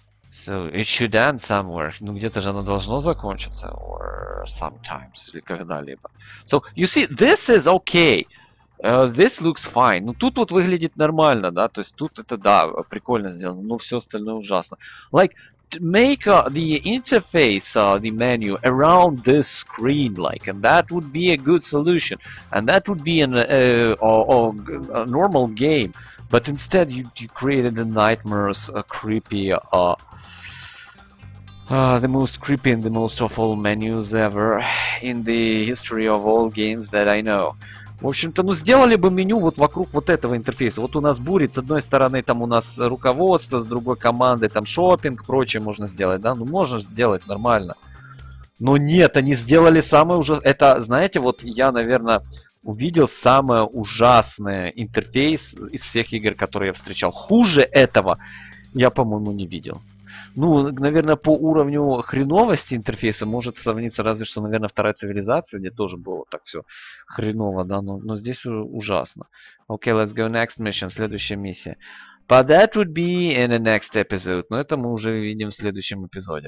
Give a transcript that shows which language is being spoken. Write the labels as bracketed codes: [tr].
[en] So, it should end somewhere. [ru] Ну, где-то же оно должно закончиться. [en] Or sometimes. [ru] Или когда-либо. [en] So, you see, this is okay. This looks fine. [ru] Ну, тут вот выглядит нормально, да? То есть, тут это, да, прикольно сделано. Но все остальное ужасно. [en] Like... make the interface the menu around this screen like, and that would be a good solution, and that would be a normal game, but instead you created the nightmares, a creepy the most creepy and the most awful menus ever in the history of all games that I know. [ru] В общем-то, ну сделали бы меню вот вокруг вот этого интерфейса. Вот у нас бурит, с одной стороны там у нас руководство, с другой командой там шопинг, прочее можно сделать, да? Ну можно сделать, нормально. Но нет, они сделали самое ужасное. Это, знаете, вот я, наверное, увидел самый ужасный интерфейс из всех игр, которые я встречал. Хуже этого я, по-моему, не видел. Ну, наверное, по уровню хреновости интерфейса может сравниться разве что, наверное, вторая цивилизация, где тоже было так все хреново, да, но здесь ужасно. [en] Okay, let's go next mission, [ru] следующая миссия. [en] But that would be in the next episode. [ru] Но это мы уже видим в следующем эпизоде.